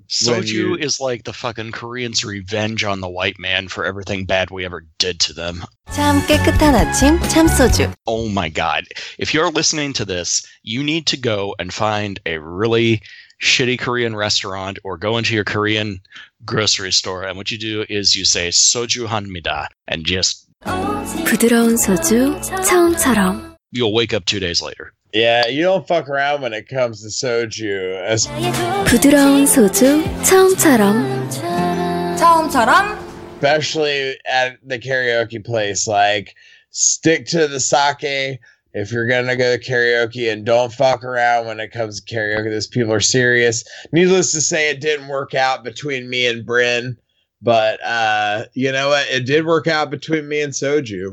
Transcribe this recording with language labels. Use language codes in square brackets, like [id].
[en] Soju is like the fucking Koreans' revenge on the white man for everything bad we ever did to them. Oh my god. If you're listening to this, you need to go and find a really shitty Korean restaurant or go into your Korean grocery store. And what you do is you say soju hanmida and just [ko] 부드러운 소주 처음처럼. [en] You'll wake up 2 days later. Yeah, you don't fuck around when it comes to soju. [ko] 부드러운 소주, 처음처럼. 처음처럼. [en] Especially at the karaoke place, like, stick to the sake if you're going to go to karaoke, and don't fuck around when it comes to karaoke. These people are serious. Needless to say, it didn't work out between me and Bryn. But, you know what? It did work out between me and soju.